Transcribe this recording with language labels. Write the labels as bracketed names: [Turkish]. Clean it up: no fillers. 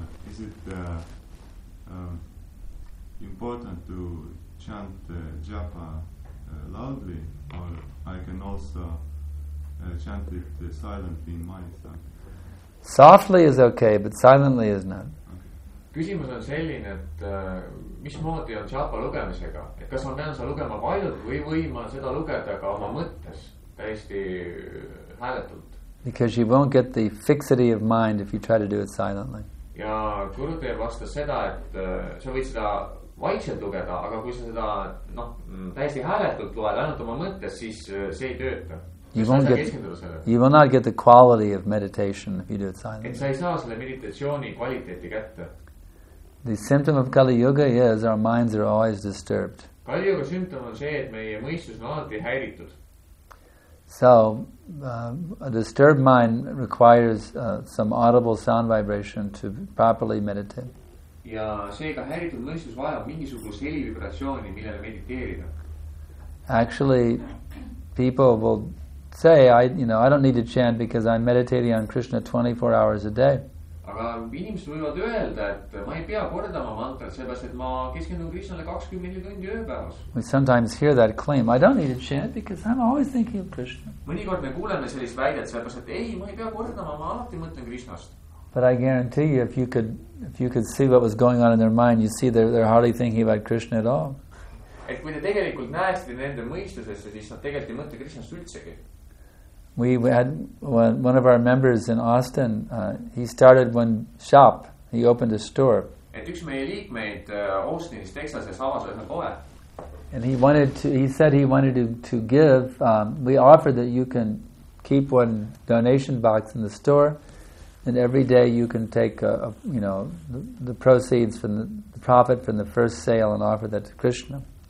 [English] Is it important to chant japa loudly, or I can also chant it silently in my tongue? Softly is okay, but silently is not. [Estonian] Küsimus on selline, et mis moodi on japa lugemisega? Et kas ma pean sa lugema vaidud või ma seda lugeda ka oma mõttes täiesti hääletult? [English] Because you won't get the fixity of mind if you try to do it silently. [Estonian] Ja Gurudev vastas seda, et sa võid seda vaikselt lugeda, aga kui sa seda täiesti hääletult loed ainult oma mõttes, siis see ei tööta. [English] You will not get the quality of meditation if you do it silently. [Estonian] Et sa ei saa selle meditatsiooni kvaliteeti kätte. [English] The symptom of Kali Yuga is our minds are always disturbed. [Estonian] Kali Yuga symptom on see, et meie mõistus on alati häiritud. [English] So, a disturbed mind requires some audible sound vibration to properly meditate. [Estonian] Ja seega häiritud mõistus vajab mingisugust helivibratsiooni, millele mediteerida. [English] Actually, people will say, I don't need to chant because I'm meditating on Krishna 24 hours a day. [Estonian] Aga inimesed võivad öelda, et ma ei pea kordama mantrat, sellepärast, et ma keskendun Krishnale 24 tundi ööpäevas. [English] We sometimes hear that claim, I don't need to chant because I'm always thinking of Krishna. [Estonian] Mõnikord me kuuleme sellist väidet, sellepärast, et ei, ma ei pea kordama, ma alati mõtlen Krishnast. [English] But I guarantee you, if you could see what was going on in their mind, you see they're hardly thinking about Krishna at all. [Estonian] Et kui te tegelikult näeksite nende mõistusesse, siis nad tegelikult ei mõtle Krishnast üldsegi. [English] We had one of our members in Austin, he started one shop, he opened a store. [Estonian] Et üks meie liikmeid Austinis, Texases avas ühe poe. [English] And he said he wanted to give, we offered that you can keep one donation box in the store and every day you can take the proceeds from the profit from the first sale and offer that to Krishna.